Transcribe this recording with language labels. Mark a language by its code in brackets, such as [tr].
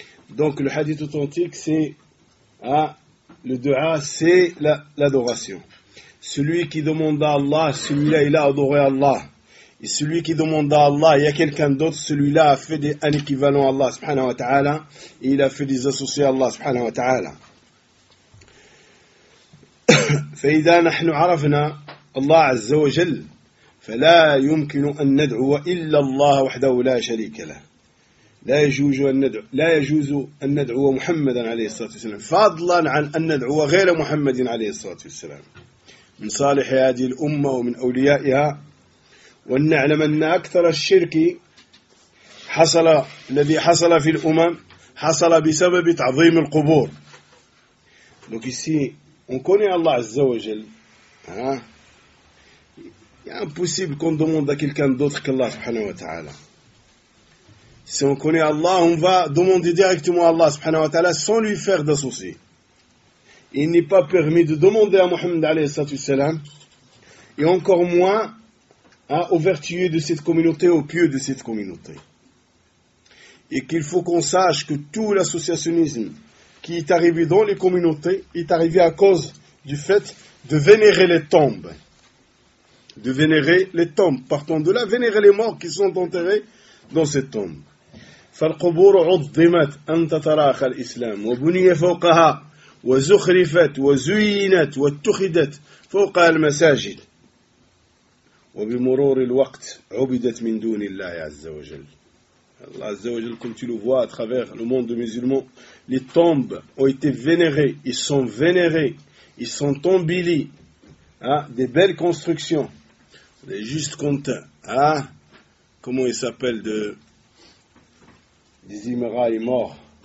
[fr] Donc le hadith authentique, c'est le dua, c'est l'adoration. Celui qui demande à Allah, celui-là, il a adoré Allah. Et celui qui demande à Allah, il y a quelqu'un d'autre, celui-là a fait un équivalent à Allah, subhanahu wa ta'ala, et il a fait des associés à Allah, subhanahu wa ta'ala. [ar] فإذا نحن عرفنا الله عز وجل فلا يمكن أن ندعو إلا الله وحده لا شريك له. لا يجوز أن ندعو محمدا عليه الصلاة والسلام، فضلا عن أن ندعو غير محمد عليه الصلاة والسلام. من صالح هذه الأمة ومن أوليائها، وأن نعلم أن أكثر الشرك حصل، الذي حصل في الأمم، حصل بسبب تعظيم القبور. [fr] Donc ici, on connaît Allah Azza wa Jal. Il est impossible qu'on demande à quelqu'un d'autre qu'Allah subhanahu wa ta'ala. Si on connaît Allah, on va demander directement à Allah subhanahu wa ta'ala sans lui faire de soucis. Il n'est pas permis de demander à Mohammed alayhi salatu salam, et encore moins à aux vertueux de cette communauté, aux pieux de cette communauté. Et qu'il faut qu'on sache que tout l'associationnisme qui est arrivé dans les communautés est arrivé à cause du fait de vénérer les tombes. De vénérer les tombes, partant de là, vénérer les morts qui sont enterrés dans ces tombes. [ar] فالقبور عظمت أن تتراخى الإسلام وبني فوقها وزخرفت وزينت واتخذت فوقها المساجد وبمرور الوقت عبدت من دون الله عز وجل. الله عز وجل [fr] comme tu le vois à travers le monde musulman, les tombes ont été vénérées, ils sont vénérés, ils sont embellis, hein, des belles constructions. Les justes comptent, hein, comment ils s'appellent de des Émirats est mort.